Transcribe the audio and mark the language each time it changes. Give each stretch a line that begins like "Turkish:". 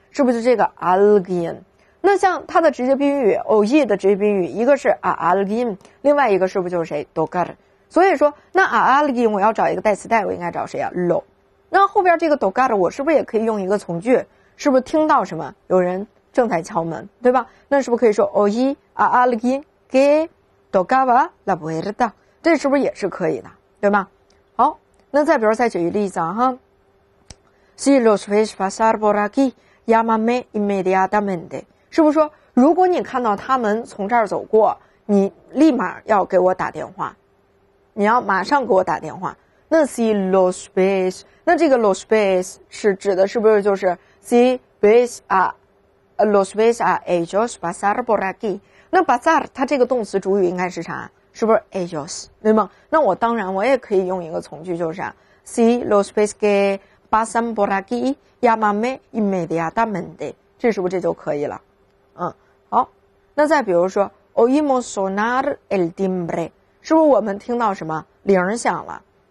Chinese: 是不是这个 alguien？ 那像它的直接宾语 oí 的直接宾语，一个是 a alguien， 另外一个是不是就是谁 tocar？所以说那 a alguien 我要找一个代词带，我应该找谁啊？
Spanish: lo。
Chinese: 那后边这个 tocar 我是不是也可以用一个从句？是不是听到什么有人正在敲门，对吧？那是不是可以说
Spanish: oí a alguien que tocaba la puerta？
Chinese: 这是不是也是可以的，对吧？那再比如再举一例子啊哈。
Spanish: Si los ves pasar por aquí, llámame inmediatamente。
Chinese: 是不是说如果你看到他们从这儿走过，你立马要给我打电话。你要马上给我打电话。那
Spanish: si los ves， 那这个 los ves 是指的是不是就是 si ves a, los ves a ellos pasar por aquí。
Chinese: 那 pasar 它这个动词主语应该是啥？是不是 ellos， 对吗？那我当然我也可以用一个从句，就是
Spanish: si los ves que pasan por aquí llámame inmediatamente，
Chinese: 这是不是这就可以了？好，那再比如说
Spanish: oímos sonar el timbre，
Chinese: 是不是我们听到什么铃响了？